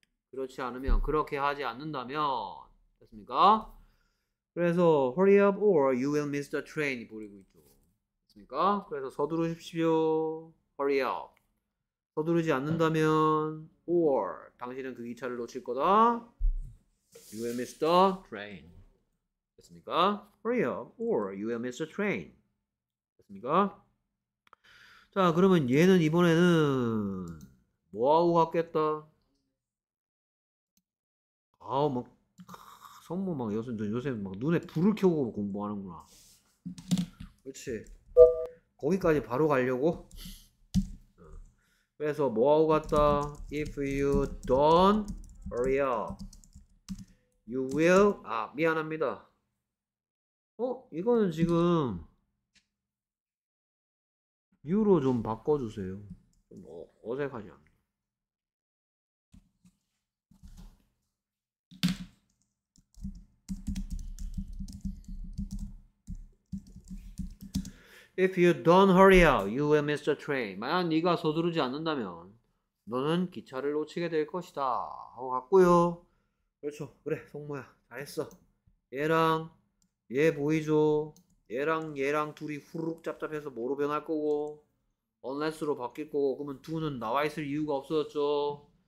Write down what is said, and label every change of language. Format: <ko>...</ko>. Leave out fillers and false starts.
<ko>그렇지 않으면, 그렇게 하지 않는다면, 됐습니까? 그래서</ko> <en>hurry up or you will miss the train</en> <ko>보이고 있죠. 됐습니까? 그래서 서두르십시오.</ko> <en>hurry up.</en> <ko>서두르지 않는다면 or 당신은 그 기차를 놓칠 거다.</ko> <en>You will miss the train.</en> <ko>됐습니까?</ko> <en>Hurry up or you will miss the train.</en> <ko>됐습니까? 자, 그러면 얘는 이번에는 뭐하고 갔겠다? 아우, 막 성모 막 요새 막 눈에 불을 켜고 공부하는구나. 그렇지. 거기까지 바로 가려고? 그래서 뭐하고 갔다?</ko> <en>If you don't hurry up. You will,</en> <ko>아, 미안합니다. 어? 이거는 지금 you로 좀 바꿔주세요. 좀 어색하지 않나?</ko> <en>If you don't hurry up, you will miss the train.</en> <ko>만약 네가 서두르지 않는다면 너는 기차를 놓치게 될 것이다 하고 갔고요. 그렇죠. 그래, 성모야. 잘했어. 얘랑 얘 보이죠? 얘랑 둘이 후루룩 짭짭해서 뭐로 변할 거고 unless로 바뀔 거고, 그러면 두는 나와 있을 이유가 없어졌죠.</ko>